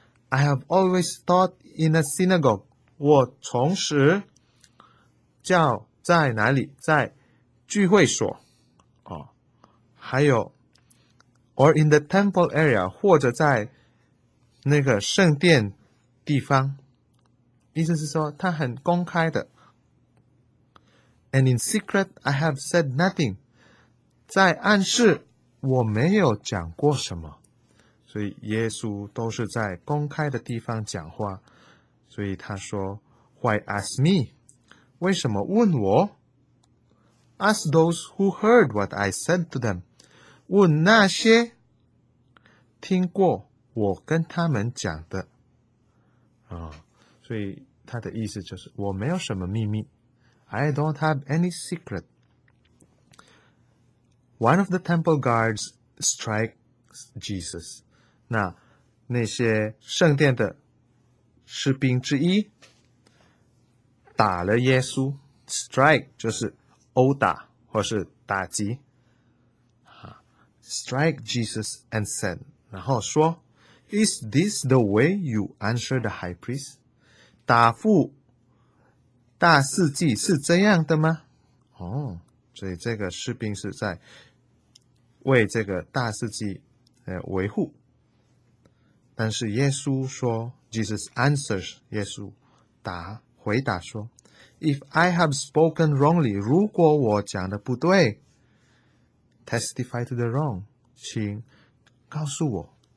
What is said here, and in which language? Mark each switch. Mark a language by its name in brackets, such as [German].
[English] I have always taught in a synagogue， [Chinese] 我从时教在哪里，在聚会所啊，还有 [English] or in the temple area， [Chinese] 或者在那个圣殿地方，意思是说他很公开的。 [English] And in secret, I have said nothing. [Chinese] 在暗室，我没有讲过什么。所以耶稣都是在公开的地方讲话。所以他说 ， [English] Why ask me? [Chinese] 为什么问我 [English] ？Ask those who heard what I said to them. [Chinese] 问那些听过我跟他们讲的。所以他的意思就是我没有什么秘密。 [English] I don't have any secret. One of the temple guards strikes Jesus. [Chinese] 那些圣殿的士兵之一打了耶稣。 Strike 就是殴打或是打击。 [English] Strike Jesus and said， [Chinese] 然后说 [English] Is this the way you answer the high priest? [Chinese] 答复大司祭是这样的吗？哦，所以这个士兵是在为这个大司祭维护。但是耶稣说 ， [English] Jesus answers， [Chinese] 耶稣回答说 ， [English] If I have spoken wrongly， [Chinese] 如果我讲的不对 ， [English] testify to the wrong， [Chinese] 请告诉我。